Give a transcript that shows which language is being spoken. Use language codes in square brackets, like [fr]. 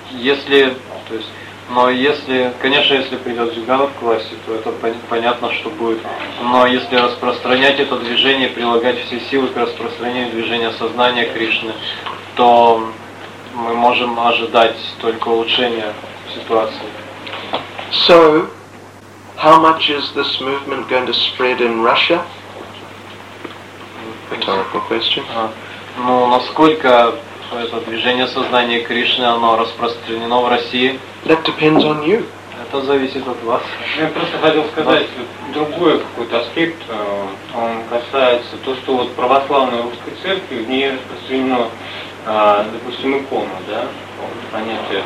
[ru] Если, конечно, если придет Зюганов к власти, то это понятно, что будет. Но если распространять это движение, прилагать все силы к распространению движения сознания Кришны, то мы можем ожидать только улучшения ситуации. [en] So, how much is this movement going to spread in Russia? Rhetorical question. [ru] Насколько это движение сознания Кришны, оно распространено в России? [en] That depends on you. [ru] Это зависит от вас. Я просто хотел сказать другой какой-то аспект. Он касается то, что вот православная русская церковь, в ней распространено, допустим, икона, да, понятие.